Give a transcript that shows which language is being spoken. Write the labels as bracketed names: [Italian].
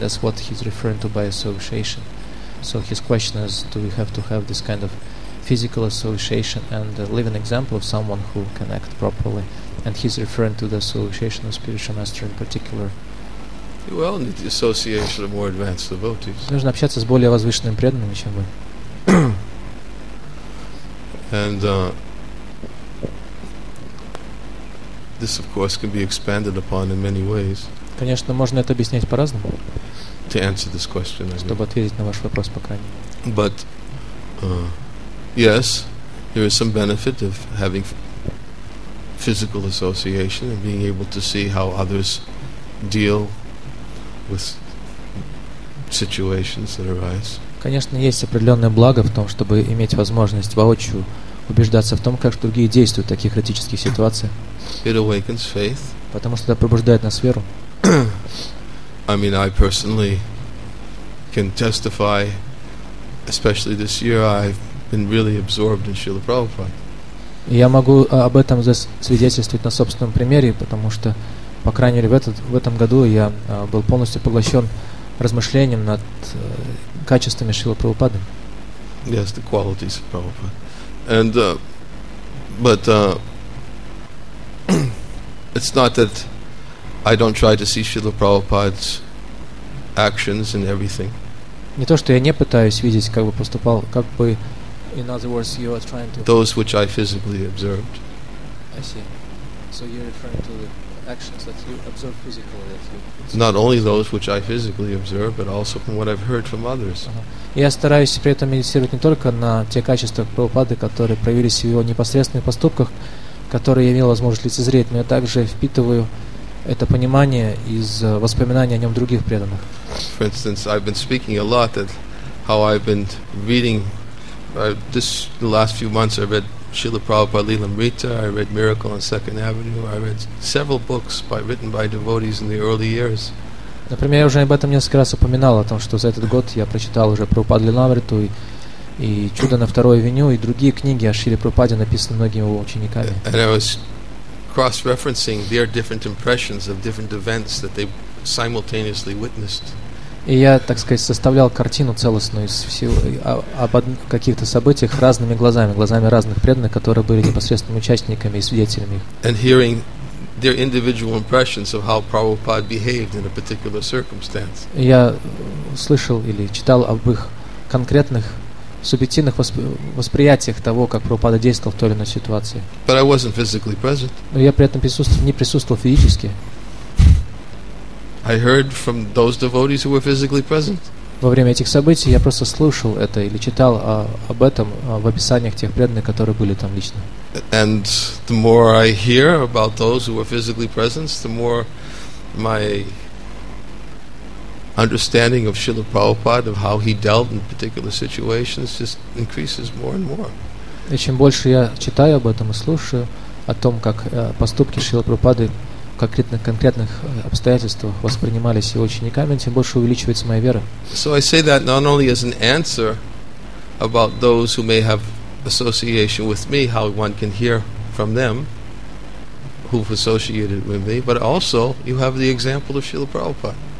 [English] That's what he's referring to by association. So his question is, do we have to have this kind of physical association and a living example of someone who can act properly? And he's referring to the association of spiritual master in particular. You all need the association of more advanced devotees. [Russian] Нужно общаться с более возвышенными преданными, чем вы. [English] And this, of course, can be expanded upon in many ways. [Russian] Конечно, можно это объяснять по-разному. [English] To answer this question, [Russian] чтобы ответить на ваш вопрос, по крайней мере. [English] But yes, there is some benefit of having physical association and being able to see how others deal with situations that arise. [Russian] Конечно, есть определенное благо в том, чтобы иметь возможность воочию убеждаться в том, как другие действуют в таких критических ситуациях. [English] It awakens faith. [Russian] Потому что это пробуждает нас веру. [English] I mean, I personally can testify, especially this year, I've been really absorbed in Srila Prabhupada. [Russian] Я могу об этом засвидетельствовать на собственном примере, потому что по крайней мере, в этом году я был полностью поглощен размышлением над качествами Шрилы Прабхупады. [English] Yes, the qualities of Prabhupada. And but it's not that I don't try to see Srila Prabhupada's actions and everything. [Russian] Не то, что я не пытаюсь видеть, как бы поступал, как бы, [English] in other words, you are trying to those which I physically observed. I see. So you're referring to the actions that you observe physically, not only those which I physically observe, but also from what I've heard from others. [Russian] Я стараюсь при этом медитировать не только на те качества Прабхупады, которые проявились в его непосредственных поступках, которые я имел возможность лицезреть, но я также впитываю это понимание из воспоминаний о нем других преданных. [English] For instance, I've been speaking a lot at how I've been reading the last few months. I read Srila Prabhupada Lilamrita, I read Miracle on Second Avenue, I read several books written by devotees in the early years. [Russian] Например, я уже об этом несколько раз упоминал, о том, что за этот год я прочитал уже Прабхупаду Лилавриту и Чудо на Второй Авеню и другие книги о Шриле Прабхупаде, написанные многими его учениками. [English] And I was cross-referencing their different impressions of different events that they simultaneously witnessed. [Russian] И я, так сказать, составлял картину целостную из всего об каких-то событиях разными глазами, глазами разных преданных, которые были непосредственными участниками и свидетелями их. [English] And hearing their individual impressions of how Prabhupada behaved in a particular circumstance. [Russian] Я слышал или читал об их конкретных субъективных восприятиях того, как Прабхупада действовал в той или иной ситуации. [English] But I wasn't physically present. [Russian] Но я при этом не присутствовал физически. [English] I heard from those devotees who were physically present. [Russian] Во время этих событий я просто слушал это или читал об этом в описаниях тех преданных, которые были там лично. [English] And the more I hear about those who were physically present, the more my understanding of Srila Prabhupada, of how he dealt in particular situations, just increases more and more. [Russian] И чем больше я читаю об этом и слушаю о том, как поступки Шрилы Прабхупады в конкретных обстоятельствах воспринимались его учениками, тем больше увеличивается моя вера. [English] So I say that not only as an answer about those who may have association with me, how one can hear from them who've associated with me, but also you have the example of Srila Prabhupada.